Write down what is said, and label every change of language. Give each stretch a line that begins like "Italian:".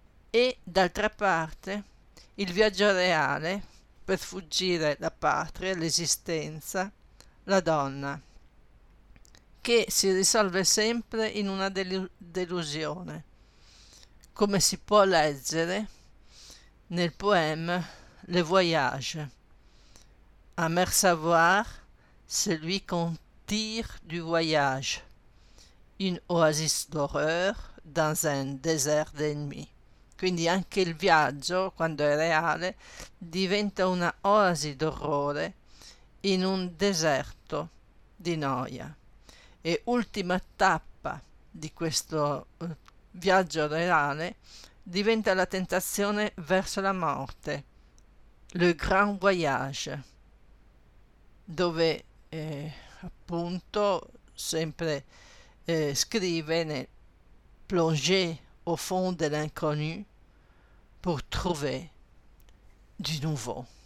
Italian: E d'altra parte il viaggio reale per fuggire la patria, l'esistenza, la donna, che si risolve sempre in una delusione, come si può leggere nel poema Le Voyage.
French: Amer savoir, celui qu'on tire du voyage, une oasis d'horreur dans un désert d'ennemis.
Italian: Quindi anche il viaggio, quando è reale, diventa una oasi d'orrore in un deserto di noia. E ultima tappa per di questo viaggio reale diventa la tentazione verso la morte,
French: le grand voyage,
Italian: dove appunto sempre scrive nel
French: plonger au fond de l'inconnu pour trouver du nouveau.